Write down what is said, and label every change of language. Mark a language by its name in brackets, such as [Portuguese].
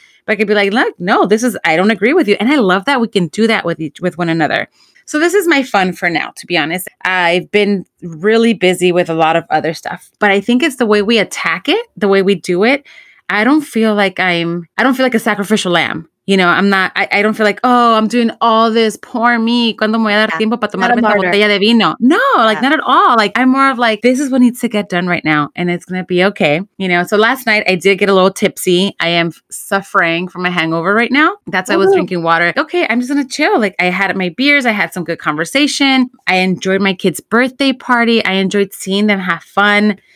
[English] But I could be like, look, no, this is, I don't agree with you. And I love that we can do that with one another. So this is my fun for now, to be honest. I've been really busy with a lot of other stuff, but I think it's the way we attack it, the way we do it. I don't feel like a sacrificial lamb. You know, I'm not, I don't feel like, oh, I'm doing all this, poor me. [Spanish] ¿Cuándo me voy a dar tiempo para tomar una botella de vino? [English] No, like not at all. Like I'm more of like, this is what needs to get done right now and it's going to be okay. You know, so last night I did get a little tipsy. I am suffering from a hangover right now. That's why I was drinking water. Okay, I'm just going to chill. Like I had my beers. I had some good conversation. I enjoyed my kid's birthday party. I enjoyed seeing them have fun.